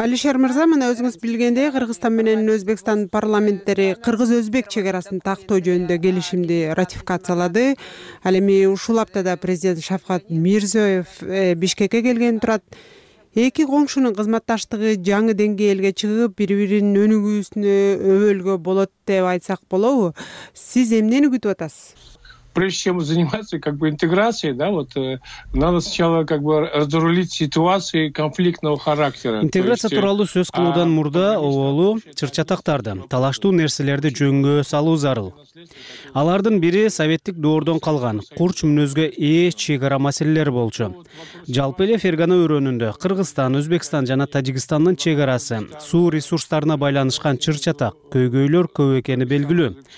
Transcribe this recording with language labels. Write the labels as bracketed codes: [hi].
[ky] Алишер Мырза, мына өзүңүз билгендей, Кыргызстан менен Өзбекстан парламенттери кыргыз-өзбек чек арасын тактоо жөнүндө келишимди ратификациялады. Ал эми ушул аптада президент Шавкат Мирзиёев Бишкекке келген турат. Эки коңшунун кызматташтыгы жаңы деңгээлге чыгып, бири биринин өнүгүүсүнө өбөлгө болот деп айтсак болобу? Сиз эмнени күтүп атасыз? [ru] Прежде чем заниматься как бы интеграцией, да, вот надо сначала как бы разрулить ситуации конфликтного характера. [ky] Интеграция туралуу сөз кылуудан мурда оолу чырчатактарды, талаштуу нерселерди жөнгө салуу зарыл. Алардын бири советтик доордон калган курч мүнөзгө ээ чек ара маселелери болчу. Жалпы эле Фергана өрөөнүндө Кыргызстан, Өзбекстан жана Тажикстандын чек арасы суу ресурстарына байланышкан чырчатак, көйгөйлөр көп экени белгилүү.